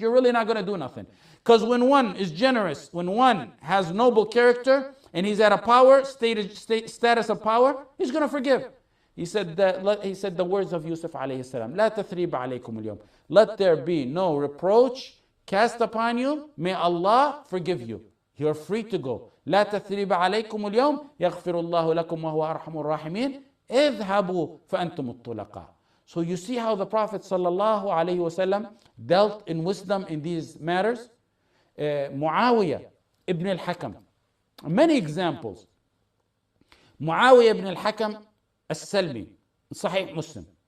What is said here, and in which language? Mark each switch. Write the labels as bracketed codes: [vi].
[en] You're really not going to do nothing. Because when one is generous, when one has noble character, and he's at a power, status of power, he's going to forgive. He said the words of Yusuf alayhi salam, [ar] لا تثريب عليكم اليوم. [en] Let there be no reproach cast upon you. May Allah forgive you. You're free to go. [ar] لا تثريب عليكم اليوم. يغفر الله لكم وهو أرحم الراحمين. اذهبوا فأنتم الطلقاء. [en] So you see how the Prophet sallallahu alayhi wasallam dealt in wisdom in these matters. Muawiyah ibn al-Hakam. Many examples. Muawiyah ibn al-Hakam al-Salmi, Sahih Muslim.